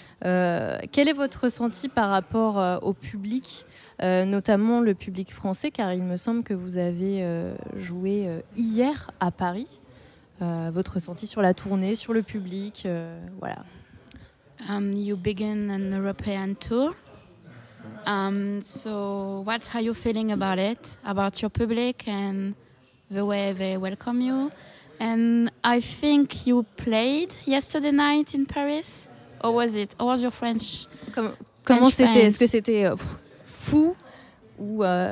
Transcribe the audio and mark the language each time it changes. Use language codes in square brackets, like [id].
[fr] Quel est votre ressenti par rapport au public, notamment le public français, car il me semble que vous avez joué hier à Paris. Votre ressenti sur la tournée, sur le public, voilà. [en] You begin an European tour. So what are you feeling about it, about your public and the way they welcome you? And I think you played yesterday night in Paris, or was it, or was your French [fr] comment c'était fans? Est-ce que c'était fou, ou